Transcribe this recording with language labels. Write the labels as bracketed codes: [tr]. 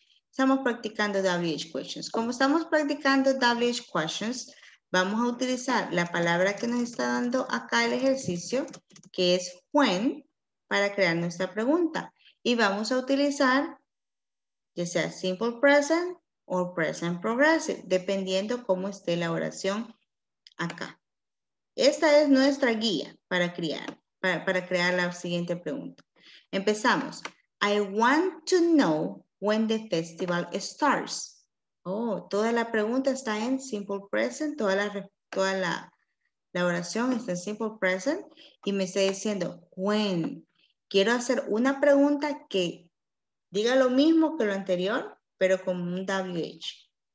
[es] Estamos practicando [en] WH questions. [es] Como estamos practicando WH questions, vamos a utilizar la palabra que nos está dando acá el ejercicio, que es [en] when, [es] para crear nuestra pregunta. Y vamos a utilizar ya sea [en] simple present [es] o [en] present progressive, [es] dependiendo cómo esté la oración acá. Esta es nuestra guía para crear la siguiente pregunta. Empezamos. [en] I want to know when the festival starts. [es] Oh, toda la pregunta está en [en] simple present. [es] Toda la oración está en simple present. Y me está diciendo, [en] when. [es] Quiero hacer una pregunta que diga lo mismo que lo anterior, pero con un WH.